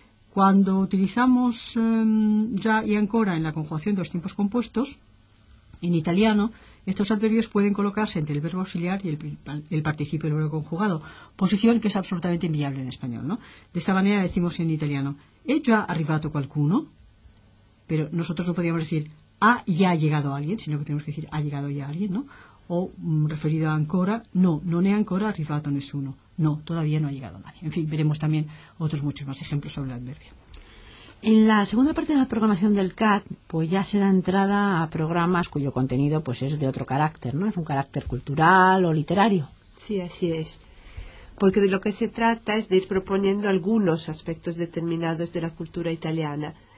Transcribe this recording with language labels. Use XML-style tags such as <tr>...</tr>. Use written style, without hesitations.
<es>Cuando utilizamos ya y ancora en la conjugación de los tiempos compuestos, en italiano, estos adverbios pueden colocarse entre el verbo auxiliar y el participio del verbo conjugado, posición que es absolutamente inviable en español, ¿no? De esta manera decimos en italiano,</es> <it>«¿È già arrivato qualcuno?»,</it> <es>pero nosotros no podríamos decir «ha ya llegado alguien», sino que tenemos que decir «ha llegado ya alguien», ¿no? O referido a</es> <it>ancora, no, non è ancora arrivato nessuno.</it> <es>No, todavía no ha llegado nadie. En fin, veremos también otros muchos más ejemplos sobre el adverbio. En la segunda parte de la programación del CAT, pues ya se da entrada a programas cuyo contenido pues es de otro carácter, ¿no? Es un carácter cultural o literario. Sí, así es. Porque de lo que se trata es de ir proponiendo algunos aspectos determinados de la cultura italiana.</es>